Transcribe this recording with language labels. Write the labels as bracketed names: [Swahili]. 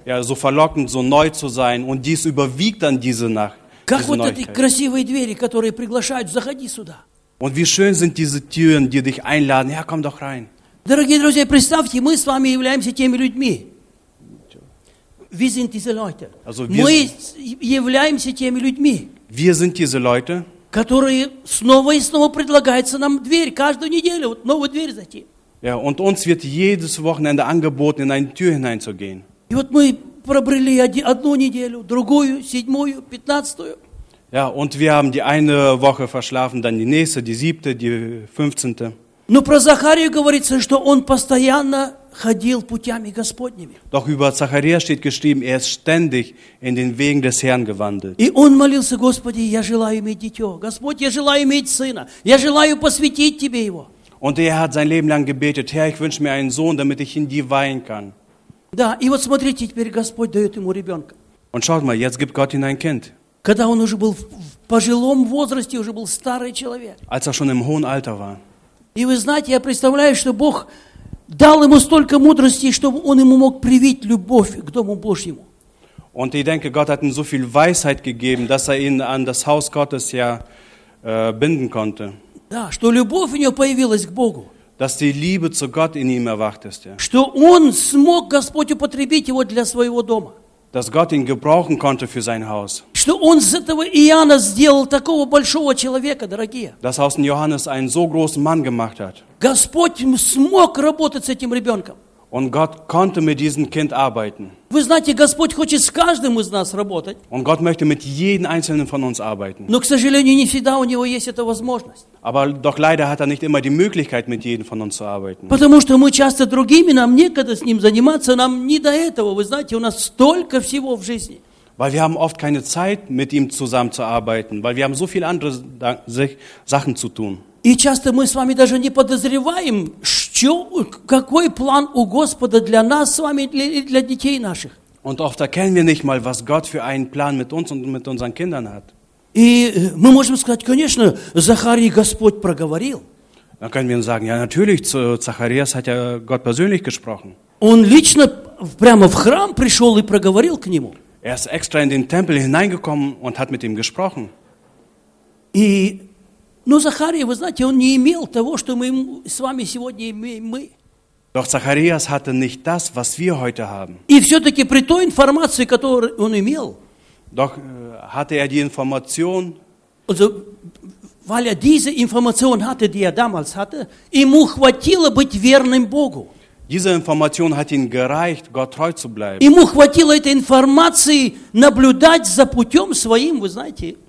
[German] Ja, so verlockend, so neu zu sein. Und dies überwiegt dann diese Nacht. [Russian] Как вот эти красивые двери, которые приглашают, заходи сюда. [German] Und wie schön sind diese Türen, die dich einladen. Ja, komm doch rein. [Russian] Дорогие друзья, представьте, мы с вами являемся теми людьми. [German] Wir sind diese Leute. [Russian] Also мы являемся теми людьми. [German] Wir sind diese Leute. [Russian] Которые снова и снова предлагается нам дверь каждую неделю вот новую дверь зайти. [German] Ja, und uns wird jedes Wochenende angeboten, in eine Tür hineinzugehen. [Russian] И вот мы пробрели одну неделю, другую, седьмую, пятнадцатую. [German] Ja, und wir haben die eine Woche verschlafen, dann die nächste, die siebte, die fünfzehnte. [Russian] Но про Захарию говорится, что он постоянно ходил путями Господними. [German] Doch über Zacharia steht geschrieben, er ist ständig in den Wegen des Herrn gewandelt. [Russian] И он молился: Господи, я желаю иметь дитё. Господь, я желаю иметь сына. Я желаю посвятить тебе его. [German] Und er hat sein Leben lang gebetet: Herr, ich wünsche mir einen Sohn, damit ich in dir weihen kann. [Russian] Да, и вот смотрите, теперь Господь дает ему ребенка. [German] Und schaut mal, jetzt gibt Gott ihm ein Kind. [Russian] Когда он уже был в пожилом возрасте, уже был старый человек. [German] Als er schon im hohen Alter war. [Russian] И вы знаете, я представляю, что Бог дал ему столько мудрости, чтобы он ему мог привить любовь к Дому Божьему. [German] Und ich denke, Gott hat ihm so viel Weisheit gegeben, dass er ihn an das Haus Gottes ja binden konnte. [Russian] Да, что любовь у него появилась к Богу. [German] Dass die Liebe zu Gott in ihm erwacht ist, ja. [Russian] Что он смог Господь употребить его для своего дома. [German] Dass Gott ihn gebrauchen konnte für sein Haus. [Russian] Что он с этого Иоанна сделал такого большого человека, дорогие. [German] Dass aus dem Johannes einen so großen Mann gemacht hat. [Russian] Господь смог работать с этим ребенком. [German] Und Gott konnte mit diesem Kind arbeiten. [Russian] Вы знаете, Господь хочет с каждым из нас работать. [German] Und Gott möchte mit jedem einzelnen von uns arbeiten. [Russian] Но, к сожалению, не всегда у него есть эта возможность. [German] Aber doch leider hat er nicht immer die Möglichkeit, mit jedem von uns zu arbeiten. [Russian] Потому что мы часто другими, нам некогда с ним заниматься, нам не до этого. Вы знаете, у нас столько всего в жизни. [German] Weil wir haben oft keine Zeit, mit ihm zusammenzuarbeiten, weil wir haben so viele andere Sachen zu tun. [Russian] И часто мы с вами даже не подозреваем, что, какой план у Господа для нас с вами и для детей наших. [German] Und oft erkennen wir nicht mal, was Gott für einen Plan mit uns und mit unseren Kindern hat. [Russian] И мы можем сказать, конечно, Захарии Господь проговорил. [German] Dann können wir sagen, ja natürlich, zu Zacharias hat ja Gott persönlich gesprochen. [Russian] Он лично прямо в храм пришел и проговорил к нему. [German] Er ist extra in den Tempel hineingekommen und hat mit ihm gesprochen. [Russian] И Но Захария, вы знаете, он не имел того, что мы с вами сегодня имеем мы. [German] Doch Zacharias hatte nicht das, was wir heute haben. [Russian] И все-таки при той информации, которую он имел. [German] Doch hatte er die Information. Also, weil er diese Information hatte, die er damals hatte, [Russian] ему хватило быть верным Богу. [German] Diese Information hat ihm gereicht, Gott treu zu bleiben. [Russian] Ему хватило этой информации наблюдать за путем своим, вы знаете.